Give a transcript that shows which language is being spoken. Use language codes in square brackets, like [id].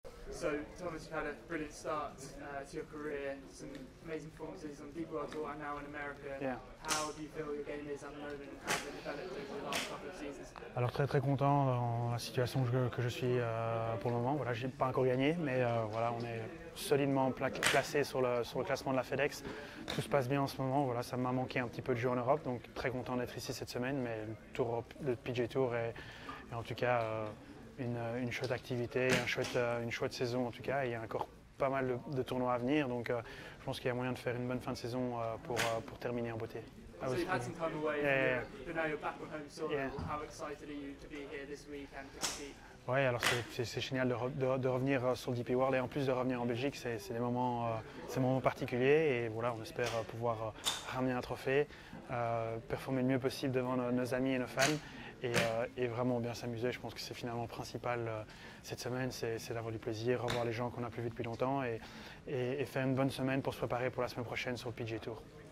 [en] So, Thomas, you've had a brilliant start to your career, some amazing performances on Deep World Tour and now in America. Yeah. How do you feel your game is at the moment and how has it developed over the last couple of seasons? [fr] Alors très très content dans la situation que je suis pour le moment. Voilà, j'ai pas encore gagné, mais voilà, on est solidement placé sur le classement de la FedEx. Tout se passe bien en ce moment. Voilà, ça m'a manqué un petit peu de jouer en Europe, donc très content d'être ici cette semaine. Mais le PGA Tour est en tout cas une chouette activité, une chouette saison en tout cas. Il y a encore pas mal de tournois à venir, donc je pense qu'il y a moyen de faire une bonne fin de saison pour terminer en beauté. [en] So you've had some time away, yeah, from Europe, but now you're back on home soil. Yeah. How excited are you to be here this week and to compete? [fr] Ouais, alors c'est génial de revenir sur le DP World et en plus de revenir en Belgique, c'est des moments particuliers et voilà, on espère pouvoir ramener un trophée, performer le mieux possible devant nos amis et nos fans et vraiment bien s'amuser. Je pense que c'est finalement le principal cette semaine, c'est d'avoir du plaisir, revoir les gens qu'on n'a plus vu depuis longtemps et faire une bonne semaine pour se préparer pour la semaine prochaine sur le PGA Tour.